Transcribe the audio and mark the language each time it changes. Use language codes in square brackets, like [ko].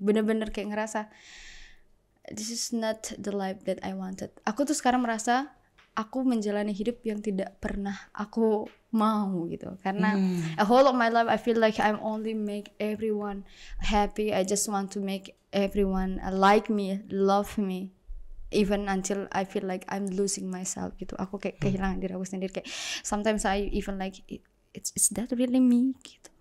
[id] Bener-bener kayak ngerasa [en] this is not the life that I wanted. [id] Aku tuh sekarang merasa aku menjalani hidup yang tidak pernah aku mau gitu. [en] Karena a whole of my life I feel like I'm only make everyone happy. I just want to make everyone like me, love me, even until I feel like I'm losing myself gitu. [id] Aku kayak kehilangan diri aku sendiri. [en] Kayak sometimes I even like it's that really me gitu.